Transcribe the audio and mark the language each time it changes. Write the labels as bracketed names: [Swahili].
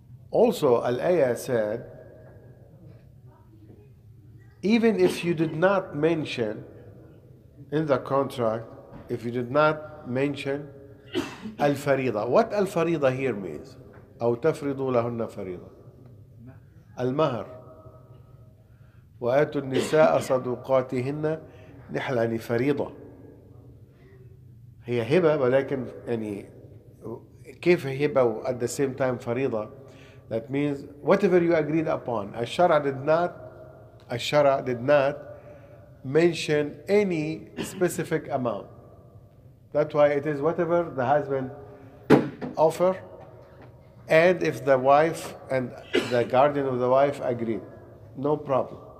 [English] Also, Al-Ayah said, even if you did not mention in the contract, if you did not mention al-farida, what al-farida here means? [Arabic] أو تفرضوا لهن فريضة. المهر. وآتوا النساء صدقاتهن نحلة, يعني فريضة. هي هبة, ولكن يعني كيف هبة و [English] at the same time [Arabic] فريضة. [English] That means whatever you agreed upon. الشرع did not mention any specific amount. That's why it is whatever the husband offer, and if the wife and the guardian of the wife agreed, no problem.